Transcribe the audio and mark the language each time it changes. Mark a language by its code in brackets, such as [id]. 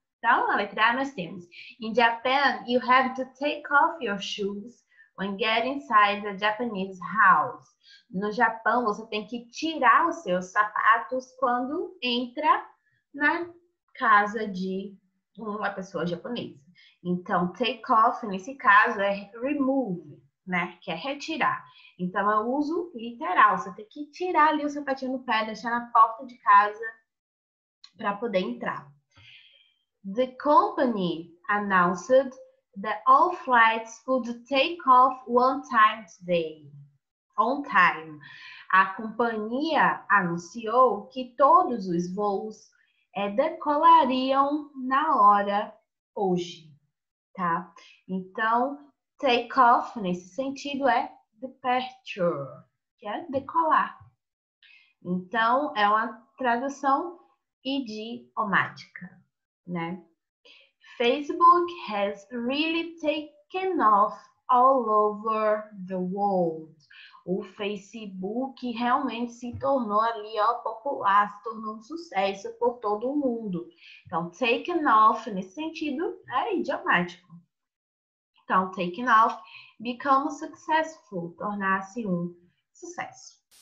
[pt] Então, na letra A nós temos: [en] In Japan, you have to take off your shoes when getting inside the Japanese house. [pt] No Japão, você tem que tirar os seus sapatos quando entra na casa de uma pessoa japonesa. Então, take off, nesse caso, é remove, né? Que é retirar. Então, é uso literal. Você tem que tirar ali o sapatinho no pé, deixar na porta de casa para poder entrar. [en] The company announced that all flights would take off one time today. On time. [pt] A companhia anunciou que todos os voos decolariam na hora hoje, tá? Então, take off nesse sentido é departure, que é decolar. Então, é uma tradução idiomática, né? [en] Facebook has really taken off all over the world. [pt] O Facebook realmente se tornou ali, ó, popular, se tornou um sucesso por todo o mundo. Então, taken off, nesse sentido, é idiomático. Então, taken off, [en] become successful, [pt] tornar-se um sucesso.